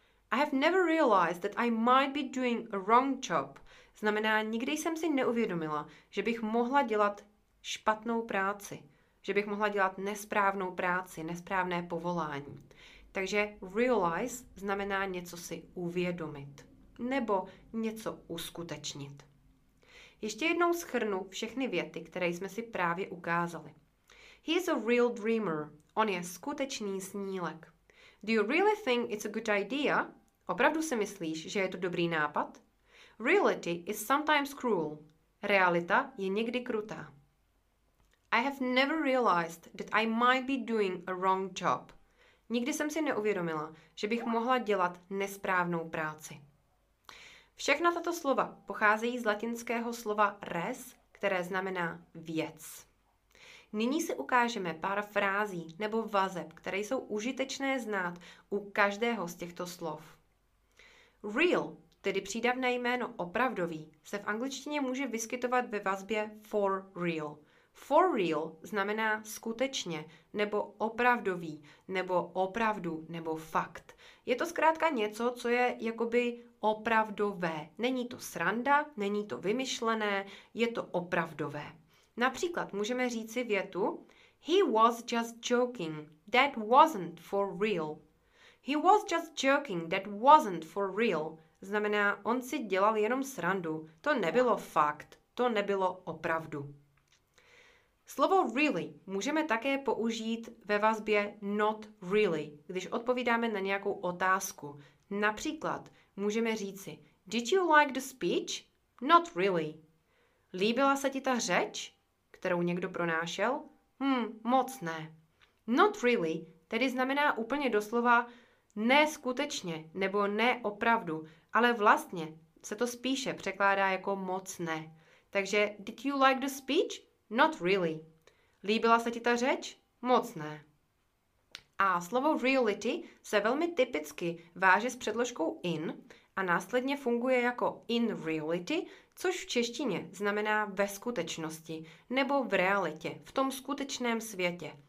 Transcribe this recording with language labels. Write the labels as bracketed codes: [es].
[en] I have never realized that I might be doing a wrong job. [cs] Znamená, nikdy jsem si neuvědomila, že bych mohla dělat špatnou práci. Že bych mohla dělat nesprávnou práci, nesprávné povolání. Takže realize znamená něco si uvědomit nebo něco uskutečnit. Ještě jednou shrnu všechny věty, které jsme si právě ukázali. [en] He is a real dreamer. On je skutečný snílek. Do you really think it's a good idea? [cs] Opravdu si myslíš, že je to dobrý nápad? [en] Reality is sometimes cruel. Realita je někdy krutá. I have never realized that I might be doing a wrong job. [cs] Nikdy jsem si neuvědomila, že bych mohla dělat nesprávnou práci. Všechna tato slova pocházejí z latinského slova res, které znamená věc. Nyní si ukážeme pár frází nebo vazeb, které jsou užitečné znát u každého z těchto slov. Real tedy přídavné jméno opravdový, se v angličtině může vyskytovat ve vazbě for real. For real znamená skutečně, nebo opravdový, nebo opravdu, nebo fakt. Je to zkrátka něco, co je jakoby opravdové. Není to sranda, není to vymyšlené, je to opravdové. Například můžeme říci větu: He was just joking, that wasn't for real. [en] He was just joking, that wasn't for real. [cs] Znamená, on si dělal jenom srandu, to nebylo fakt, to nebylo opravdu. Slovo really můžeme také použít ve vazbě not really, když odpovídáme na nějakou otázku. Například můžeme říci, did you like the speech? Not really. Líbila se ti ta řeč, kterou někdo pronášel? Moc ne. Not really tedy znamená úplně doslova ne skutečně nebo ne opravdu, ale vlastně se to spíše překládá jako moc ne. [en] Takže did you like the speech? [cs] Not really. Líbila se ti ta řeč? Moc ne. A slovo reality se velmi typicky váže s předložkou in a následně funguje jako in reality, což v češtině znamená ve skutečnosti nebo v realitě, v tom skutečném světě.